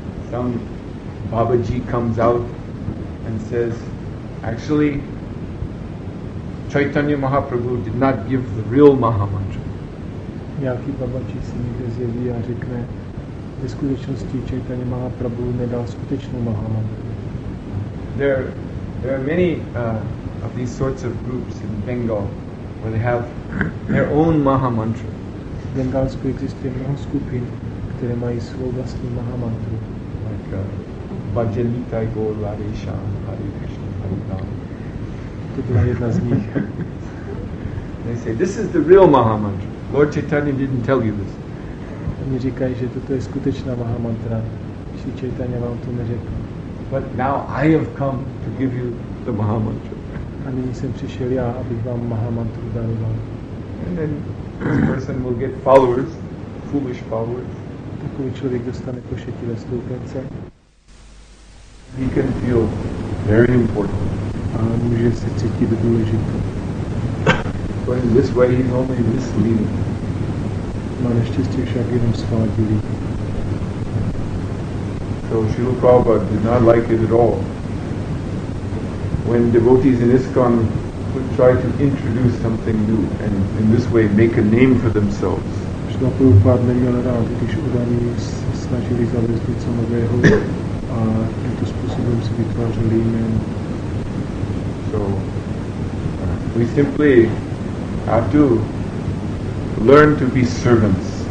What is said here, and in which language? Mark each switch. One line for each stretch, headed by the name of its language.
English: Some Babaji comes out and says, actually, Chaitanya Mahaprabhu did not give the real Mahamantra.
Czech: Nějaký Babaji se někde zjeví a řekne, ve skutečnosti Chaitanya Mahaprabhu nedal skutečnou Mahamantru.
English: There are many of these sorts of groups in Bengal where they have their own Mahamantra.
Czech: V Bengálsku existuje mnoho skupin, které mají svou vlastní Mahamantru.
English: Like Bhajani Taigor, Radhesham, Hare Krishna, Hare Rama.
Czech: To byla jedna z nich.
English: They say, this is the real Mahamantra. Lord Chaitanya didn't tell you this.
Czech: Oni říkají, že toto je skutečná Mahamantra. Sri Chaitanya vám to neřekl.
English: But now I have come to give you the Mahamantra.
Czech: A nyní jsem přišel já, abych vám Mahamantru daroval.
English: This person will get followers, foolish followers.
Czech: Takový člověk dostane pošetilé stoupence.
English: He can feel very important.
Czech: A může se cítit důležitý.
English: But in this way he's only misleading.
Czech: Má neštěstí však jenom svádělí.
English: So Srila Prabhupada did not like it at all. When devotees in ISKCON would try to introduce something new and in this way make a name for themselves.
Czech: Srila Prabhupada neměl rád, když udaní se snažili zavést něco nového a tímto způsobem si vytvářeli jméno.
English: So, we simply have to learn to be servants.